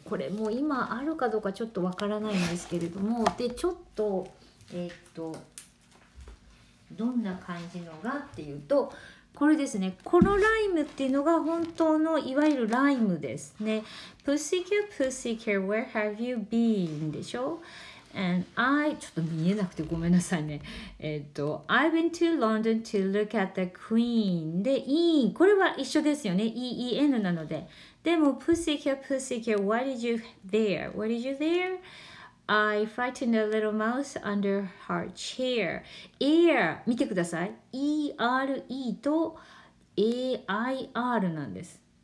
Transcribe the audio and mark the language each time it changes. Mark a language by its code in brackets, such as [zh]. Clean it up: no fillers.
[ja] これもう今あるかどうかちょっとわからないんですけれども、でちょっとどんな感じのがっていうと、これですね、このライムっていうのが本当のいわゆるライムですね。 [en] Pussycat, Pussycat, where have you been? でしょ。 And I [ja] ちょっと見えなくてごめんなさいね。 [en] I went to London to look at the Queen. [ja] で、in これは一緒ですよね。 [en] E-E-N [ja] なので。でも、 [en] Pussycat, Pussycat, what did you there? What did you there? I frightened a little mouse under her chair. [ja] Ear 見てください。E-R-E と A-I-R なんです。